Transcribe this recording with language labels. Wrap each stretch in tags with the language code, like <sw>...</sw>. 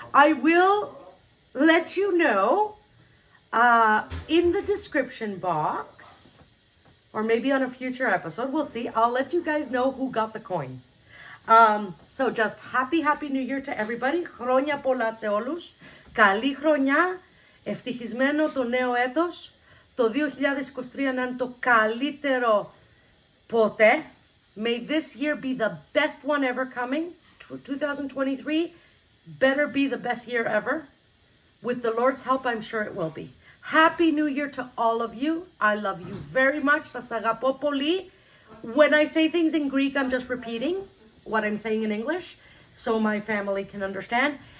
<en>I will let you know in the description box, or maybe on a future episode, we'll see. I'll let you guys know who got the coin. So just happy new year to everybody.</en> <el>Χρόνια πολλά σε όλους. Καλή χρονιά. Ευτυχισμένο το νέο έτος. Το 2023 να είναι το καλύτερο ποτέ.</el> <en>May this year be the best one ever coming. 2023 better be the best year ever. With the Lord's help, I'm sure it will be. Happy New Year to all of you. I love you very much.</en> <el>Σας αγαπώ πολύ.</el> <en>When I say things in Greek, I'm just repeating what I'm saying in English so my family can understand.</en>